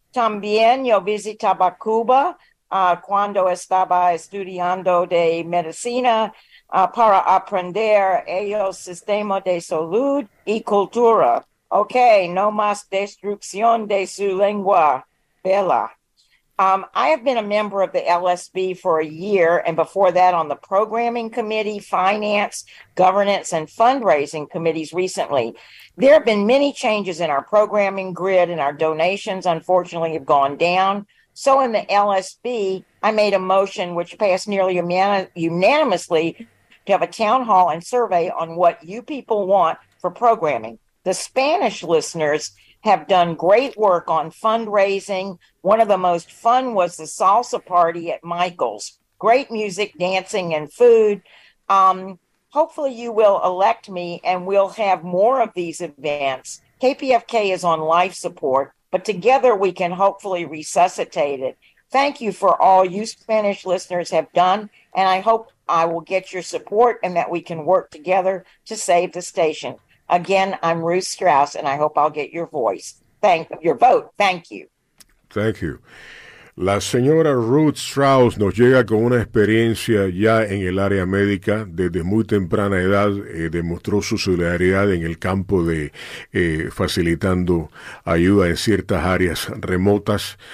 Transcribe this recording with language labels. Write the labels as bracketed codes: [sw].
[es] También yo visitaba Cuba cuando estaba estudiando de medicina para aprender ellos sistema de salud y cultura. Ok, no más destrucción de su lengua, Bella. [en] I have been a member of the LSB for a year, and before that on the Programming Committee, Finance, Governance, and Fundraising Committees recently. There have been many changes in our programming grid, and our donations, unfortunately, have gone down. So in the LSB, I made a motion which passed nearly unanimously to have a town hall and survey on what you people want for programming. The Spanish listeners have done great work on fundraising. One of the most fun was the salsa party at Michael's. Great music, dancing, and food. Hopefully you will elect me and we'll have more of these events. KPFK is on life support, but together we can hopefully resuscitate it. Thank you for all you Spanish listeners have done, and I hope I will get your support and that we can work together to save the station. Again, I'm Ruth Strauss, and I hope I'll get your voice. Your vote. Thank you. Thank you. [es] La señora Ruth Strauss nos llega con una experiencia ya en el área médica. Desde muy temprana edad demostró su solidaridad en el campo de facilitando ayuda en ciertas áreas remotas.